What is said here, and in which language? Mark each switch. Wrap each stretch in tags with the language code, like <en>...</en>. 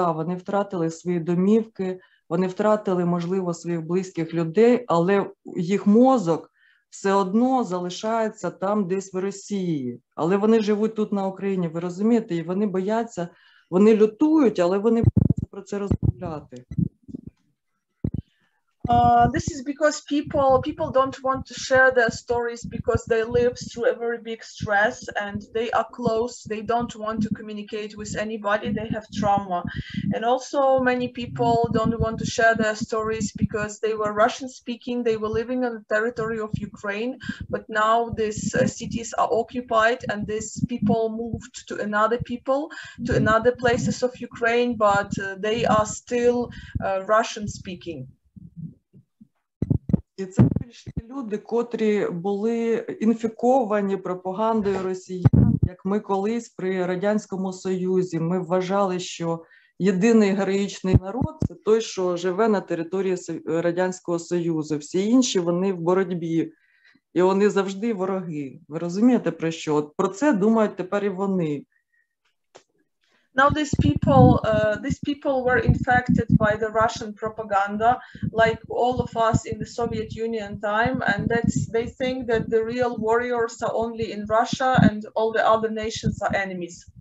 <uk>Вони втратили свої домівки, вони втратили, можливо, своїх близьких людей, але їх мозок все одно залишається там десь в Росії. Але вони живуть тут на Україні, ви розумієте? І вони бояться, вони лютують, але вони бояться про це розмовляти.</uk> <en>This is because people don't want to share their stories because they live through a very big stress and they are close, they don't want to communicate with anybody, they have trauma. And also many people don't want to share their stories because they were Russian speaking, they were living on the territory of Ukraine, but now these cities are occupied and these people moved to another people, to another places of Ukraine, but they are still Russian speaking.</en> <uk>І це більш люди, котрі були інфіковані пропагандою росіян, як ми колись при Радянському Союзі. Ми вважали, що єдиний героїчний народ – це той, що живе на території Радянського Союзу. Всі інші, вони в боротьбі. І вони завжди вороги. Ви розумієте, про що? От про це думають тепер і вони.</uk> <en>Now these people were infected by the Russian propaganda, like all of us in the Soviet Union time, and they think that the real warriors are only in Russia and all the other nations are enemies.</en>